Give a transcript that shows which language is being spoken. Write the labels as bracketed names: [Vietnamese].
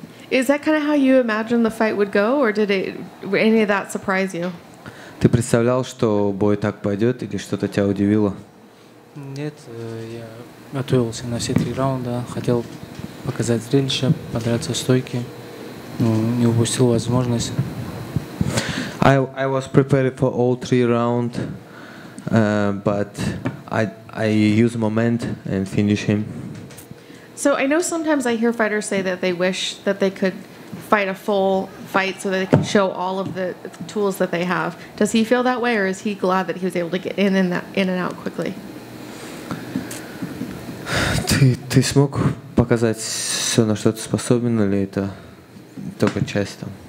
[English] Is that kind of how you imagined the fight would go, or did it any of that surprise you? [Russian] Ты представлял, что бой так пойдет, или что-то тебя удивило? Нет, я готовился на все три раунда, хотел показать зрелище, подраться стойки, но не упустил возможность. [English] I was prepared for all three rounds, but I use moment and finish him. So I know sometimes I hear fighters say that they wish that they could fight a full fight so that they can show all of the tools that they have. Does he feel that way, or is he glad that he was able to get in and out quickly? [Russian] Ты смог показать все, на что ты способен, или это только часть там?